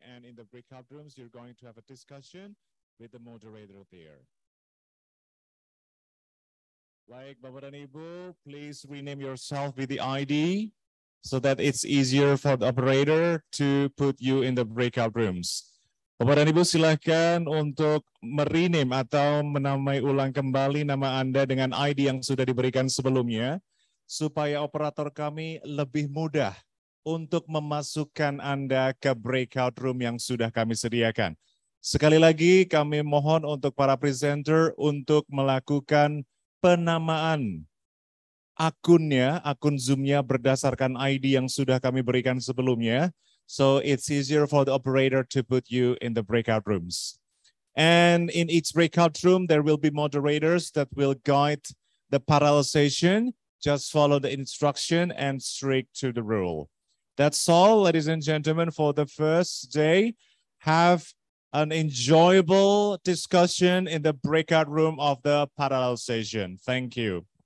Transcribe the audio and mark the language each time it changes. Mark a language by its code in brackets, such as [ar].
[en] And in the breakout rooms, you're going to have a discussion with the moderator there. Like [id] Bapak dan Ibu, [en] please rename yourself with the ID so that it's easier for the operator to put you in the breakout rooms. [id] Bapak dan Ibu, silakan untuk merename atau menamai ulang kembali nama Anda dengan ID yang sudah diberikan sebelumnya supaya operator kami lebih mudah untuk memasukkan Anda ke breakout room yang sudah kami sediakan. Sekali lagi, kami mohon untuk para presenter untuk melakukan penamaan akunnya, akun Zoom-nya berdasarkan ID yang sudah kami berikan sebelumnya. [en] So it's easier for the operator to put you in the breakout rooms. And in each breakout room, there will be moderators that will guide the parallel session. Just follow the instruction and stick to the rule. That's all, ladies and gentlemen, for the first day. Have an enjoyable discussion in the breakout room of the parallel session. Thank you.